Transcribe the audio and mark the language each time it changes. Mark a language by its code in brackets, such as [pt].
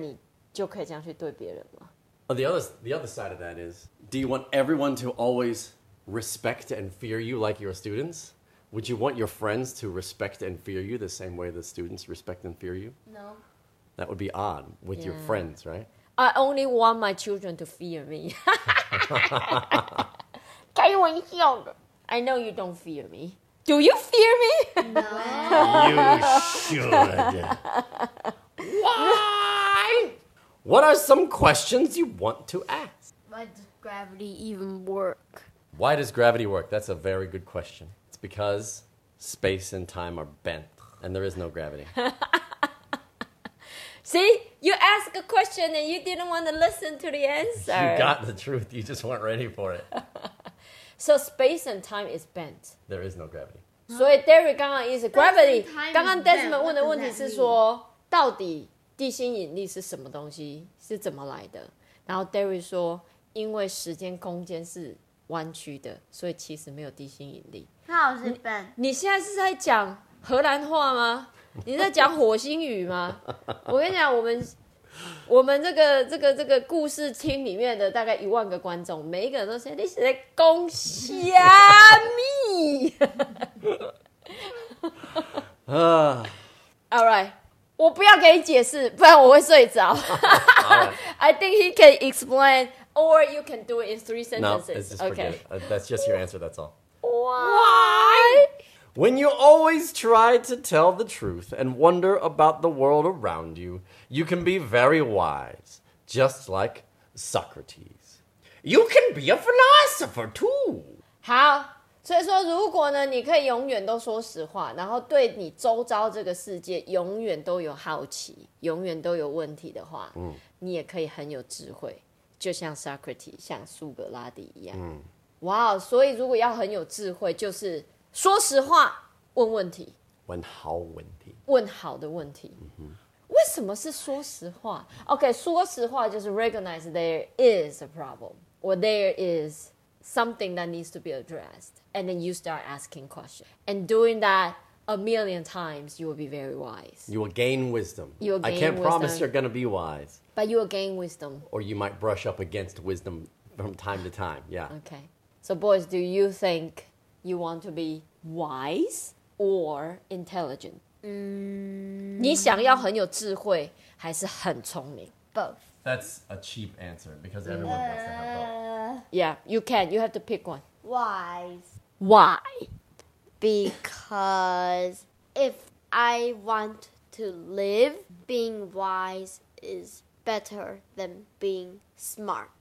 [zh] 如果你希望所有人都对你很刻薄、很坏的话，那你就可以这样去对别人嘛。 [en] The other side of that is, do you want everyone to always... respect and fear you like your students? Would you want your friends to respect and fear you the same way the students respect and fear you? No. That would be odd with your friends, right? I only want my children to fear me. [zh] 开玩笑的. [en] I know you don't fear me. Do you fear me? No. You should. Why? What are some questions you want to ask? why does gravity even work? Why does gravity work? That's a very good question. It's because space and time are bent, and there is no gravity. See? You ask a question, and you didn't want to listen to the answer. You got the truth. You just weren't ready for it. So space and time is bent. There is no gravity. So Derek [zh] 刚刚 [en] is gravity. [zh] 刚刚 Desmond 问的问题是说，到底地心引力是什么东西，是怎么来的？然后 Derek 说，因为时间空间是弯曲的，所以其实没有地心引力。他老是 bent。你现在是在讲荷兰话吗？你在讲火星语吗？我跟你讲，我们这个故事厅里面的大概10000个观众，每一个人都说你是在讲什么？ [en] All right， [zh] 我不要给你解释，不然我会睡着。 [en] I think he can explain, or you can do it in 3 sentences. No, it's just okay. That's just your answer. That's all. Why? When you always try to tell the truth and wonder about the world around you, you can be very wise, just like Socrates. You can be a philosopher too. [zh] 好，所以说如果呢，你可以永远都说实话，然后对你周遭这个世界永远都有好奇，永远都有问题的话，你也可以很有智慧，就像 Socrates， 像苏格拉底一样。哇，所以如果要很有智慧，就是说实话，问问题，问好问题，问好的问题。 Mm-hmm. 为什么是说实话 ？OK， 说实话就是 [en] recognize there is a problem or there is something that needs to be addressed, and then you start asking questions. And doing that a million times, you will be very wise. You will gain wisdom. You will gain I can't wisdom, promise you're going to be wise, but you will gain wisdom. Or you might brush up against wisdom from time to time. Yeah. Okay. So, boys, do you think you want to be wise or intelligent? [zh] 你想要很有智慧还是很聪明? [en] Both. That's a cheap answer because everyone wants to have both. Yeah, you can. You have to pick one. Wise. Why? Because if I want to live, being wise is better than being smart.